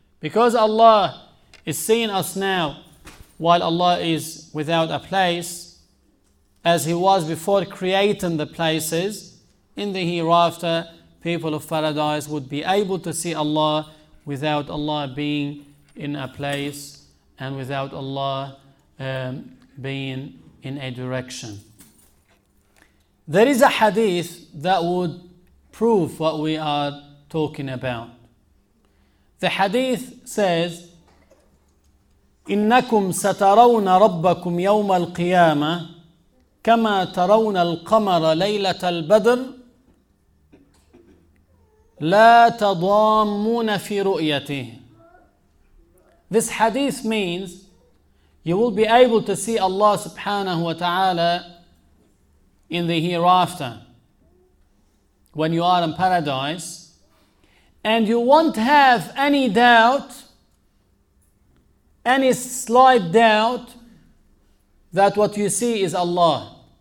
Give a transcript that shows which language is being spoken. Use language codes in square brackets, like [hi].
[en] Because Allah is seeing us now while Allah is without a place, as he was before creating the places, in the hereafter, people of paradise would be able to see Allah without Allah being in a place and without Allah being in a direction. There is a hadith that would prove what we are talking about. The hadith says, [ar] إِنَّكُمْ سَتَرَوْنَ رَبَّكُمْ يَوْمَ الْقِيَامَةِ كما ترون القمر ليلة البدر لا تضامون في رؤيته. [en] This hadith means you will be able to see Allah subhanahu wa ta'ala in the hereafter when you are in paradise, and you won't have any doubt, any slight doubt, that what you see is Allah.